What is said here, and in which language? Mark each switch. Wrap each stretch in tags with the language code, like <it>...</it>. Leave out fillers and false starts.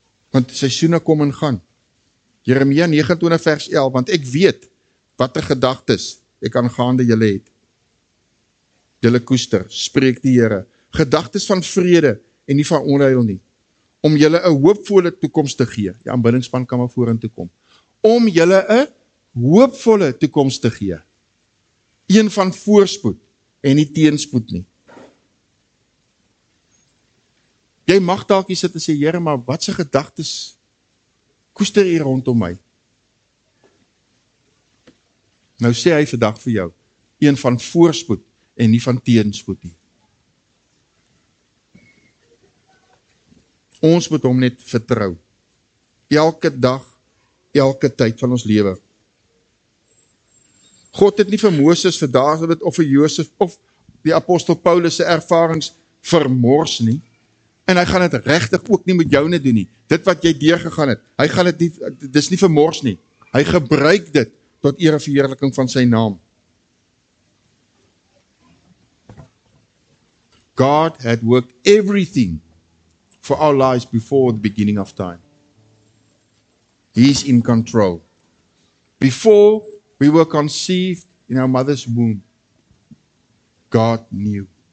<af>Want seisoene kom en gaan. Jeremia 29 vers 11, want ek weet watter gedagtes ek aangaande julle het. Julle koester, spreek die Here, gedagtes van vrede en nie van onheil nie, om julle 'n hoopvolle toekoms te gee. Die aanbiddingspan kan maar vorentoe kom. Om julle 'n hoopvolle toekoms te gee. Een van voorspoed en nie teenspoed nie. Jy mag dalk hier sit en sê, Here, maar wat se gedagtes koester hier rondom my? Nou sê hy vandag vir jou, een van voorspoed en nie van teenspoed nie. Ons moet hom net vertrou. Elke dag, elke tyd van ons lewe. God het nie vir Moses, vir Dawid of vir Josef of die apostel Paulus se ervarings vermors nie. En hy gaan dit regtig ook nie met jou net doen nie. Dit wat jy deurgegaan het, hy gaan dit nie, dis nie vermors nie. Hy gebruik dit tot eer en verheerliking van sy naam.</af> <en>God had worked everything for our lives before the beginning of time. He's in control. Before we were conceived in our mother's womb, God knew.</en>